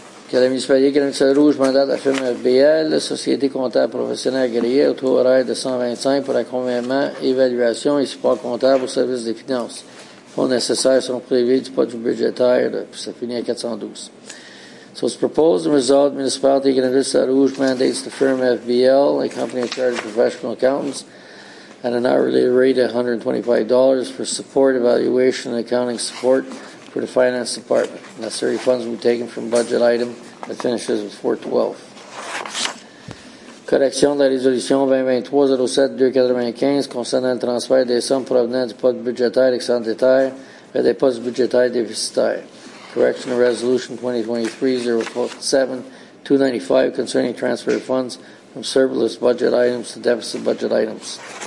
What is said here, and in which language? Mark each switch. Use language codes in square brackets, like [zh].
[fr] Que la municipalité Grande-Salle Rouge mandate la firme FBL, la Société comptable professionnelle agréée, au taux horaire de 125 pour accompagnement, évaluation et support comptable au service des finances. Fonds nécessaires sont prévus du budget budgétaire, là, puis ça finit à 412. [en] So it's proposed and resolved, the municipality Grande-Salle Rouge mandates the firm FBL, a company in charge of professional accountants, at an hourly rate of $125 for support, evaluation, and accounting support for the finance department. Necessary funds will be taken from budget item that finishes with 412. [fr] Correction de la résolution 2023-07-295 concernant le transfert des sommes provenant du poste budgétaire excédentaire vers des postes budgétaires déficitaires. [en] Correction of resolution 2023-07-295 concerning transfer of funds from surplus budget items to deficit budget items.